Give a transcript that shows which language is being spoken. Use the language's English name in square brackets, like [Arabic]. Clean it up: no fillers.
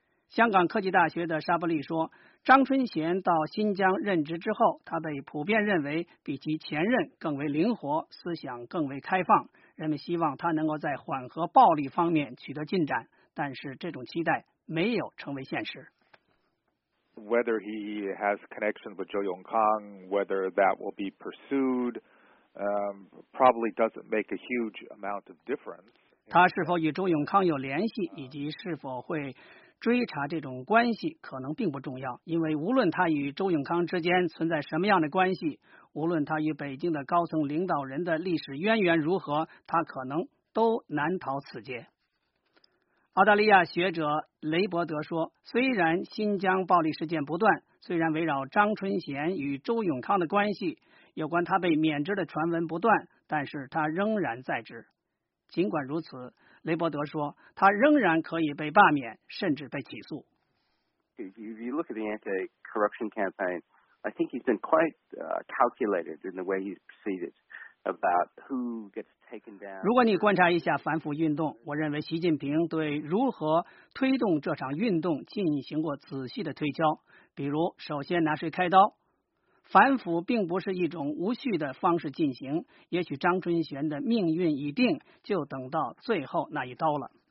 [Chinese] 香港科技大学的沙伯利说，张春贤到新疆任职之后，他被普遍认为比其前任更为灵活，思想更为开放，人们希望他能够在缓和暴力方面取得进展，但是这种期待没有成为现实。 [English] Whether he has connections with Zhou Yongkang, whether that will be pursued, probably doesn't make a huge amount of difference. [Chinese] 他是否与周永康有联系以及是否会追查这种关系可能并不重要，因为无论他与周永康之间存在什么样的关系，无论他与北京的高层领导人的历史渊源如何，他可能都难逃此劫。澳大利亚学者雷伯德说，虽然新疆暴力事件不断，虽然围绕张春贤与周永康的关系，有关他被免职的传闻不断，但是他仍然在职。尽管如此，雷伯德说，他仍然可以被罢免，甚至被起诉。 [English] If you look at the anti-corruption campaign, I think he's been quite calculated in the way he's proceeded about who gets taken down. [Chinese] 如果你观察一下反腐运动，我认为习近平对如何推动这场运动进行过仔细的推敲。比如，首先拿谁开刀？反腐并不是一种无序的方式进行，也许张春贤的命运已定，就等到最后那一刀了。